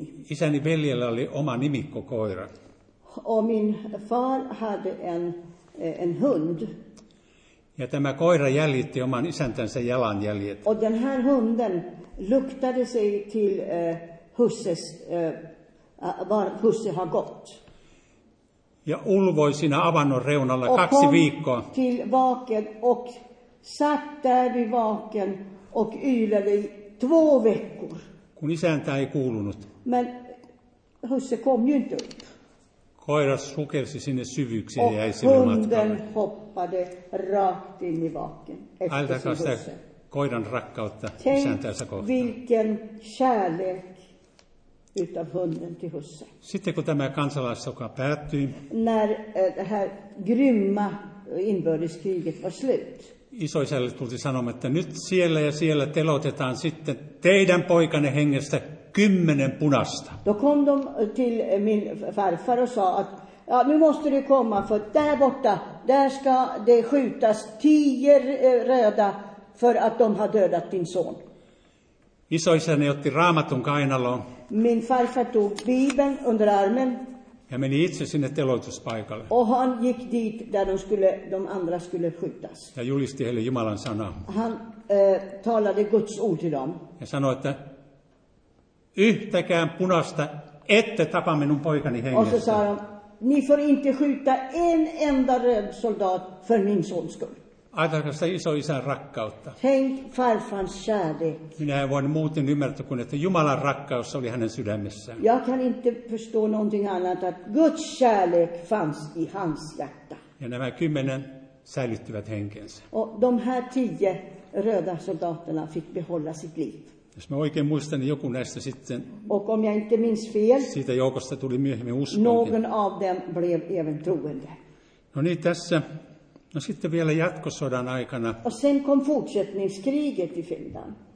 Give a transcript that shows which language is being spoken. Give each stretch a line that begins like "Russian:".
Finnish: Isäni veljellä oli oma nimikko koira.
Swedish: Och min far hade en hund.
Finnish: Ja tämä koira jäljitti oman isäntänsä jalanjäljet.
Swedish: Och den här hunden luktade sig till husses var husse har gått.
Finnish: Ja ulvoi siinä avannon reunalla kaksi viikkoa.
Swedish: Till vaken och satt där vid vaken och ylade i två veckor.
Finnish: Kun isäntä ei kuulunut.
Swedish: Men husse kom ju inte upp.
Finnish: Koira sukelsi sinne syvyyksiin ja jäi sinne matkalle.
Swedish: Och hunden hoppade rakt in i vaken.
Finnish: Ajatakaa sitä koiran rakkautta isäntänsä kohtaan.
Swedish: Vilken kärlek utav hunden till husse.
Finnish: Sitten kun tämä kansalaissoka päättyi.
Swedish: När det här grymma inbördeskriget var slut.
Finnish: Isoisälle tulti sanomaan, että nyt siellä ja siellä telotetaan sitten teidän poikanne hengestä 10 punasta.
Swedish: Då kom de till min farfar och sa att ja, nu måste du komma för där borta, där ska det skjutas 10 röda för att de har dödat din son.
Finnish: Isoisäni otti raamatun kainaloon.
Swedish: Min farfar tog Bibeln under armen.
Finnish: Ja meni itse sinne teloituspaikalle.
Swedish: Och han gick dit där de andra skulle skjutas.
Finnish: Ja julisti heille Jumalan sanaa.
Swedish: Han talade Guds ord till dem.
Finnish: Ja sanoi, että yhtäkään punasta ette tapa minun poikani hengestä.
Swedish: Och så sa han, ni får inte skjuta en enda röd soldat för min sons skull.
Finnish: Ajatelkaa sitä isoisän rakkautta.
Swedish: Tänk farfans kärlek.
Finnish: Minä en voinut muuten ymmärtää kuin, että Jumalan rakkaus oli hänen sydämessään.
Swedish: Jag kan inte förstå någonting annat, att Guds kärlek fanns i hans hjärta.
Finnish: Ja nämä 10 säilyttivät henkensä.
Swedish: Och de här 10 röda soldaterna fick behålla sitt liv.
Finnish: Jos mä oikein muistan, niin joku näistä sitten.
Swedish: Och om jag inte minns fel.
Finnish: Siitä joukosta tuli myöhemmin uskonkin.
Swedish: Någon av dem blev även troende.
Finnish: No niin, tässä. No sitten vielä jatkosodan aikana.
Swedish: Och sen kom fortsättningskriget i Finland.